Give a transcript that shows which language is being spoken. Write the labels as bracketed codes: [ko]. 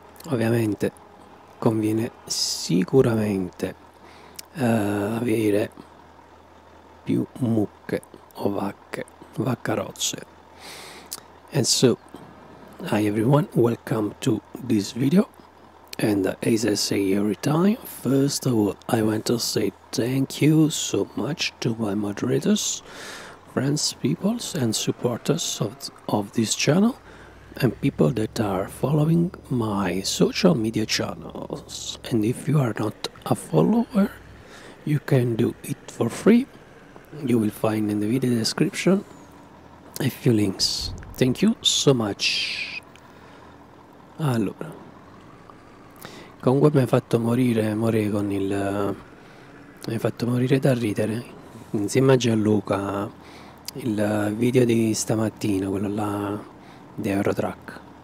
[it] Ovviamente conviene sicuramente avere più mucche o vacche, vaccarozze. E so, [en] Hi everyone, welcome to this video. And as I say every time, first of all, I want to say thank you so much to my moderators, friends, peoples and supporters of this channel and people that are following my social media channels. And if you are not a follower, you can do it for free. You will find in the video description a few links. Thank you so much. [it] Allora, comunque mi hai fatto morire, amore, con il... mi hai fatto morire da ridere insieme a Gianluca il video di stamattina, quello là di Eurotruck.